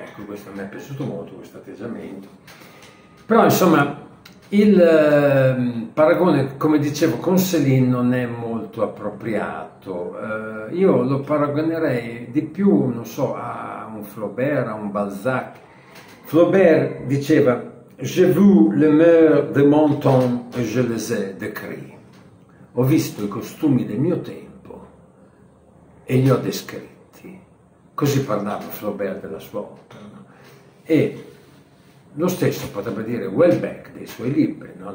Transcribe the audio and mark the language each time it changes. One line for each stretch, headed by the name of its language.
Italian: Ecco, questo a me è piaciuto molto, questo atteggiamento. Però insomma il paragone, come dicevo, con Céline non è molto appropriato. Io lo paragonerei di più, non so, a un Flaubert, a un Balzac. Flaubert diceva:
French: j'ai vu le mœurs de mon temps et je les ai décrits.
Italian: Ho visto i costumi del mio tempo e li ho descritti. Così parlava Flaubert della sua opera. No? E lo stesso potrebbe dire Houellebecq dei suoi libri. No?